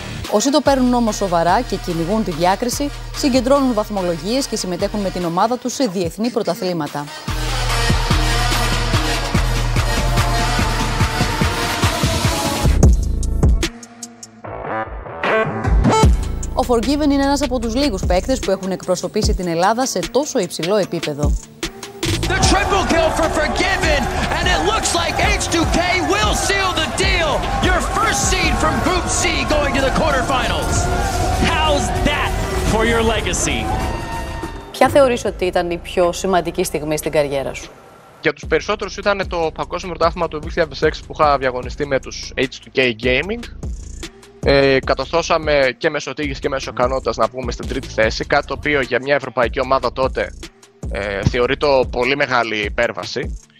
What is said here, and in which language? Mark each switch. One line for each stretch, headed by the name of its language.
Greek: Όσοι το παίρνουν όμως σοβαρά και κυνηγούν τη διάκριση, συγκεντρώνουν βαθμολογίες και συμμετέχουν με την ομάδα τους σε διεθνή πρωταθλήματα. Ο Forgiven είναι ένας από τους λίγους παίκτες που έχουν εκπροσωπήσει την Ελλάδα σε τόσο υψηλό επίπεδο.
English: The triple kill for Forgiven, and it looks like H2K will seal the deal. Your first seed from Group C going to the quarterfinals. How's that for your legacy?
Greek: Ποια θεωρείς ότι ήταν η πιο σημαντική στιγμή στην καριέρα σου? Για τους περισσότερους ήταν το παγκόσμιο πρωτάθλημα του 2006 που είχα διαγωνιστεί με τους H2K Gaming. Κατορθώσαμε και μέσω τύχης και μέσω ικανότητας να βγούμε στην τρίτη θέση, κάτι το οποίο για μια ευρωπαϊκή ομάδα τότε θεωρείται πολύ μεγάλη υπέρβαση.